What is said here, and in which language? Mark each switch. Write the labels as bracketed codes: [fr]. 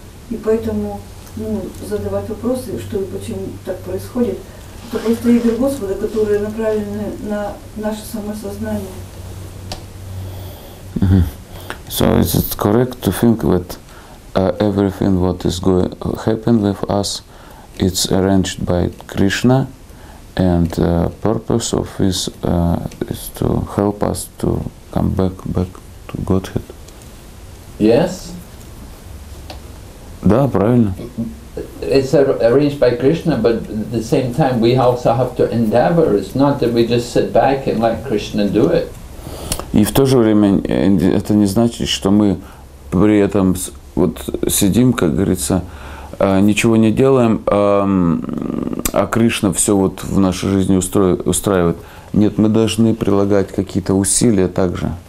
[ru] И поэтому задавать вопросы, что и почему так происходит, это просто игры Господа, которые направлены на наше самосознание. [en] So is it correct to think that everything what is going happen with us, it's arranged by Krishna, and purpose of this is to help us to come back to Godhead? Yes. [ru] Да, правильно. [en] It's arranged by Krishna, but at the same time we also have to endeavor. It's not that we just sit back and let Krishna do it. [ru] И в то же время это не значит, что мы при этом вот сидим, как говорится, ничего не делаем, а Кришна все вот в нашей жизни устраивает. Нет, мы должны прилагать какие-то усилия также.